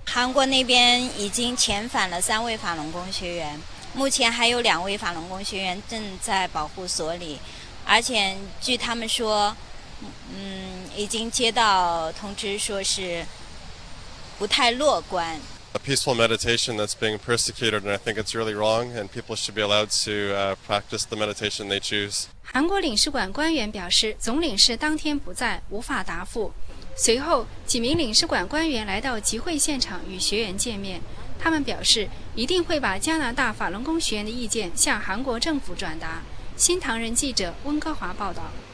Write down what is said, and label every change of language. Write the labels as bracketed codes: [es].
[zh] 韩国那边已经遣返了三位法轮功学员，目前还有两位法轮功学员正在保护所里，而且据他们说，已经接到通知说是不太乐观。 [en] A peaceful meditation that's being persecuted, and I think it's really wrong, and people should be allowed to practice the meditation they choose. [zh] 韩国领事馆官员表示，总领事当天不在，无法答复。随后，几名领事馆官员来到集会现场与学员见面。他们表示，一定会把加拿大法轮功学员的意见向韩国政府转达。新唐人记者温哥华报道。